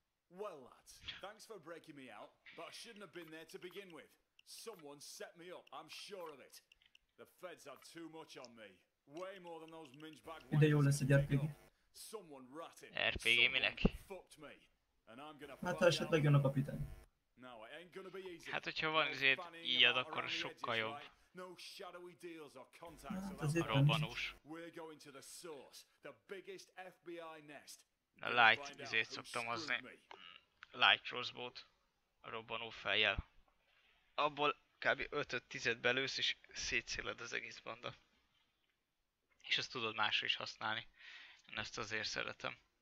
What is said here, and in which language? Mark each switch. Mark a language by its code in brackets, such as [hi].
[en] Well, lads, thanks for breaking me out, but I shouldn't have been there to begin with. Someone set me up, I'm sure of it. The feds have too much on me. Way more than those minchbag wankers. Someone ratted, someone fucked me. And I'm gonna fuck you out. [hu] Jön a kapitány. [en] No, it ain't gonna be easy. [hu] Hát, hogyha van azért íjad, akkor sokkal jobb. [en] No shadowy deals or contacts. [hu] Hát, azért robbanós. [en] We're going to the source, the biggest FBI nest. [hu] A light izét szoktam hozni. Light crossbow-t. A robbanó fejjel. Abból kb. 5-10-et belősz és szétszéled az egész banda. És azt tudod másra is használni. Én ezt azért szeretem.